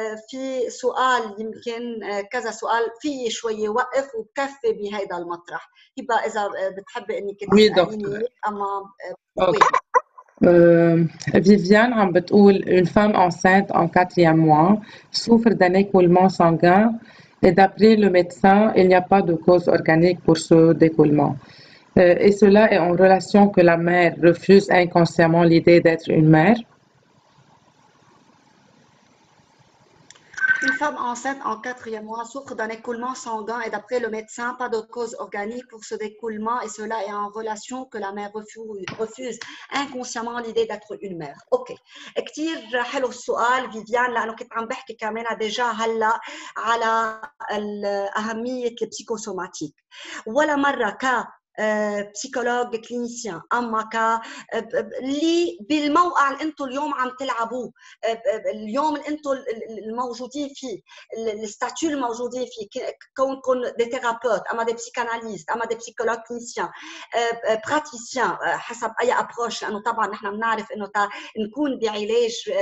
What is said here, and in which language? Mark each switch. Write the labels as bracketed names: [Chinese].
[Arabic] في سؤال يمكن كذا سؤال في شوي وقف وبكفي بهذا المطرح، يبقى اذا بتحبي انك تسأليني. اما اوكي فيفيان عم بتقول [French] une femme enceinte en quatrième mois souffre d'un écoulement sanguin et d'après le médecin, il n'y a pas de cause organique pour ce découlement. Et cela est en relation que la mère refuse inconsciemment l'idée d'être une mère. Une femme enceinte en quatrième mois souffre d'un écoulement sanguin et d'après le médecin, pas de cause organique pour ce découlement et cela est en relation que la mère refuse inconsciemment l'idée d'être une mère. [English] Ok. [Arabic] كتير حلو السؤال فيفيان لأنه كنت عم بحكي كمان déjà هلا على أهمية البسيكوسوماتيك. ولا مرة ك بسيكولوج كلينيسيان اما ك اللي بالموقع اللي انتم اليوم عم تلعبوه اليوم اللي انتم الموجودين فيه الستاتيو الموجودين فيه كونكم دي ثيرابوت اما دي بسيكاناليست اما دي بسيكولوج كلينيسيان براتيسيان حسب اي ابروش لانه طبعا نحن بنعرف انه نكون بعلاج